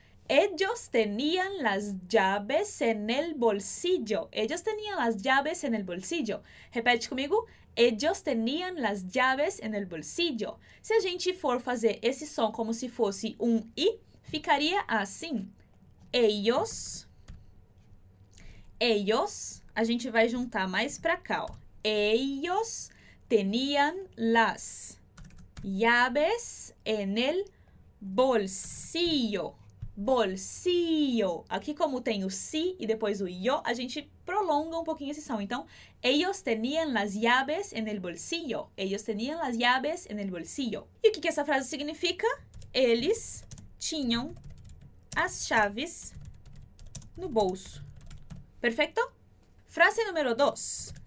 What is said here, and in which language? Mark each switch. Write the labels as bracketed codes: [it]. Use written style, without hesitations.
[es] Ellos tenían las llaves en el bolsillo. Ellos tenían las llaves en el bolsillo. [pt] Repete comigo. [es] Ellos tenían las llaves en el bolsillo. [pt] Se a gente for fazer esse som como se fosse um I, ficaria assim. Ellos, a gente vai juntar mais para cá, ó. [es] Ellos tenían las llaves en el bolsillo. Bolsillo. [pt] Aqui como tem o si e depois o yo, a gente prolonga um pouquinho esse som. [es] Então, ellos tenían las llaves en el bolsillo. Ellos tenían las llaves en el bolsillo. [pt] E o que que essa frase significa? Eles tinham as chaves no bolso. Perfecto. Frase número 2.